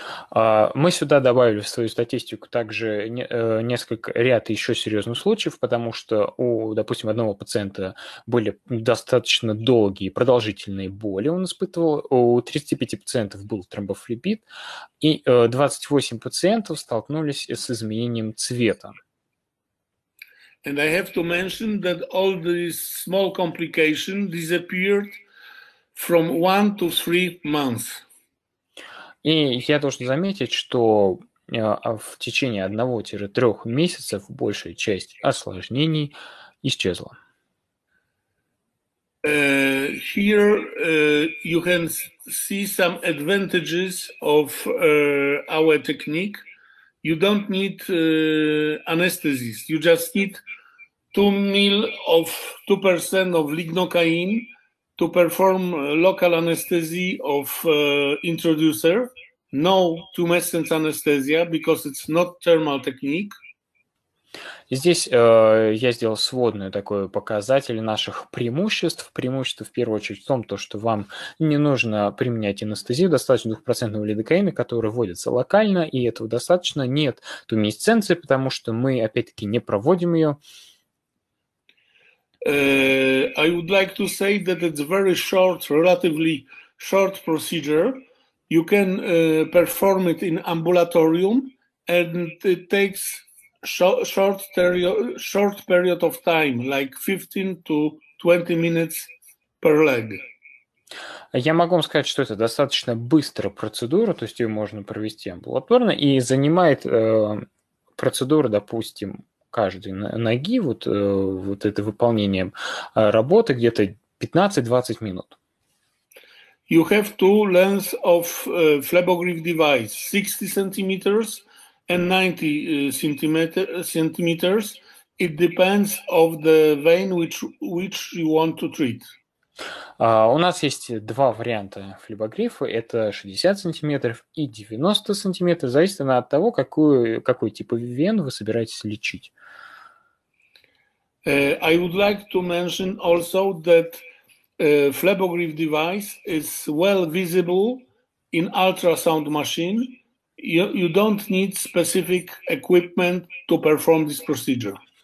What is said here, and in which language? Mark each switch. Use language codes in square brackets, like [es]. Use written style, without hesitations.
[ru] Мы сюда добавили в свою статистику также несколько ряд еще серьезных случаев, потому что у, допустим, одного пациента были достаточно долгие продолжительные боли, он испытывал, у 35 пациентов был тромбофлебит, и 28 пациентов столкнулись с изменением цвета. [en] And I have to mention that all these small complications disappeared from 1 to 3 months. [ru] И я должен заметить, что в течение 1-3 месяцев большая часть осложнений исчезла. [en] Here you can see some advantages of our technique you don't need anesthesia. You just need 2% of lignocaine to perform local anesthesia of introducer. No tumescence anesthesia, because it's not thermal technique. [ru] Здесь я сделал сводный такой показатель наших преимуществ. Преимущество, в первую очередь, в том, то, что вам не нужно применять анестезию, достаточно 2% лидокаина, который вводится локально, и этого достаточно. Нет туминесценции, потому что мы, опять-таки, не проводим ее. [en] I would like to say that it's very short, relatively short procedure. You can perform it in ambulatorium, and it takes short period of time, like 15 to 20 minutes per leg. [ru] Я могу вам сказать, что это достаточно быстрая процедура, то есть ее можно провести амбулаторно, и занимает процедура, допустим, каждой ноги, вот это выполнение работы, где-то 15-20 минут. [en] You have two lengths of Flebogrif device, 60 centimeters and 90 centimeters. It depends of the vein which you want to treat. [ru] У нас есть два варианта флебогрифа. Это 60 сантиметров и 90 сантиметров. Зависит от того, какой тип вен вы собираетесь лечить. [en] I would like to mention also that Flebogrif device is well visible in ultrasound machine. You don't need specific equipment to perform this procedure.